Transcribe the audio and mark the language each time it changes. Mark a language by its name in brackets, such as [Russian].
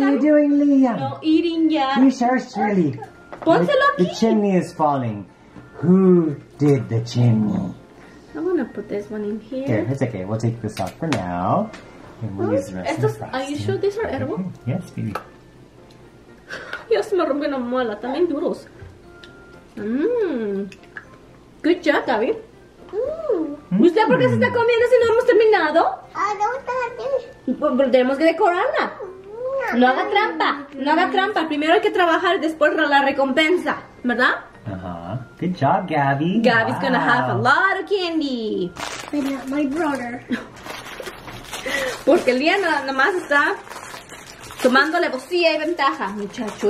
[English] What are you doing, Liam? No, eating ya. You sure, Shirley? [Spanish] Pónselo aquí. [English] The chimney is falling. Who did the chimney? I'm gonna put this one in here. Okay, it's okay. We'll take this off for now. And we'll use the rest of the frosting. Are you sure these are edible? Okay. Yes, baby. [Spanish] Ya se me rompió la muela, también duros. [English] Good job, Gabby. [Spanish] ¿Usted por qué se está comiendo si no hemos terminado? [English] I don't think. [Spanish] Tenemos que decorarla. No haga trampa, no haga trampa. Primero hay que trabajar, después la recompensa, ¿verdad? [English] Uh-huh. Good job, Gabby. Gabby's gonna have a lot of candy. Maybe not my brother. [Spanish] Porque el día nada más está tomando alevosía y ventaja, muchacho.